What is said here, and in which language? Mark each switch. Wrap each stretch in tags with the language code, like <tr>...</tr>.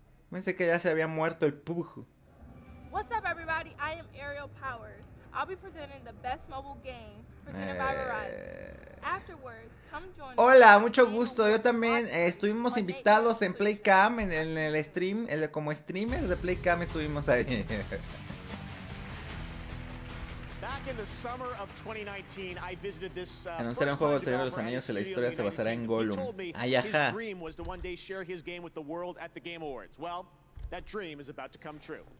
<es>Pensé que ya se había muerto el Pug.</es> <en>What's up, everybody? I am Ariel Powers. I'll be presenting the best mobile game presented by Afterwards.</en> <es>Hola, mucho gusto. Yo también estuvimos invitados en Playcam, en el stream, como streamers de Playcam estuvimos ahí.</es> <en>Back in the summer of 2019, I visited this</en> <es>anunciaron juego del Señor de los Anillos y la historia se basará en Gollum. Ay, ajá.</es> <en>His dream was to one day share his game with the world at the Game Awards. Well, that dream is about to come true.</en>